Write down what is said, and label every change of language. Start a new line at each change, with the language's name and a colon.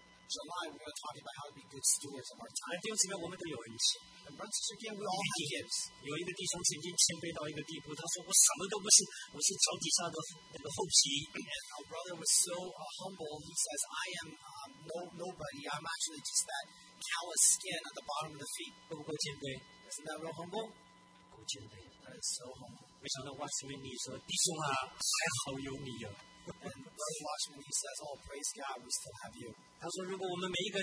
English: July, we're going to talk about how to be good stewards of our time.
Chinese: 弟兄姊妹，我们都有恩赐。
English: And brothers, again, we all have gifts.
Chinese: 有一个弟兄曾经谦卑到一个地步，他说：“我什么都不是，我是脚底下的那个后皮。”
English: And our brother was so humble. He says, "I am nobody. I'm actually just that callous skin at the bottom of the feet."
Chinese: 够谦卑。
English: Isn't that real humble?
Chinese: 够谦卑。
English: That is so humble.
Chinese: 没想到，哇，前面你说，弟兄啊，还好有你啊。
English: And the brother watching when he says, "Oh, praise God, we still have you."